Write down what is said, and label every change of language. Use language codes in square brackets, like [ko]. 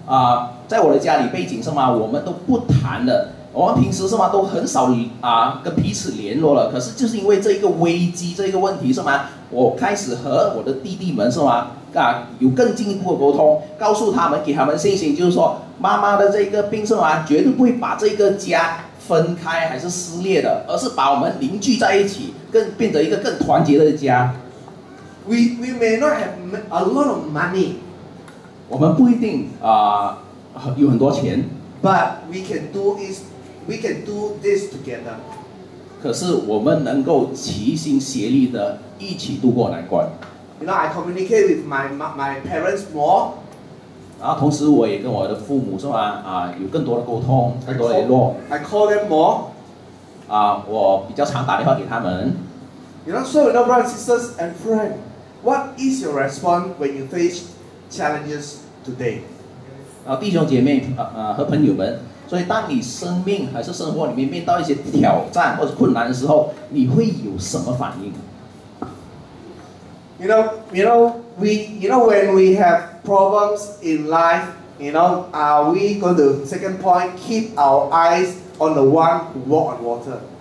[zh] 所以我还记得，就是说在这个艰难的困难的那个时机的时刻的时候，是吗？我也增加了和我弟兄和我亲生兄弟的那些沟通，然后在我的家里背景是吗？我们都不谈的。我们平时是吗都很少跟彼此联络了，可是就是因为这一个危机这一个问题是吗？我开始和我的弟弟们是吗有更进一步的沟通，告诉他们给他们信心，就是说妈妈的这个病是吗绝对不会把这个家分开还是撕裂的，而是把我们凝聚在一起，更变成一个更团结的家。 [en] we may not have a lot of money. [zh] 我们不一定, [en] but we can do this together. [zh] 可是我们能够齐心协力地一起度过难关。 [en] You know, I communicate with my parents more. [zh] 然后同时我也跟我的父母说有更多的沟通，更多联络。 [en] I call them more. [zh] 我比较常打电话给他们。 [en] You know, so, you know, brothers, sisters, and friends, what is your response when you face challenges today? [zh] 弟兄姐妹和朋友们, 所以当你生命还是生活里面面到一些挑战或者困难的时候，你会有什么反应？ [en] You know, when we have problems in life, you know, are we going to, second point, keep our eyes on the one who walk on water?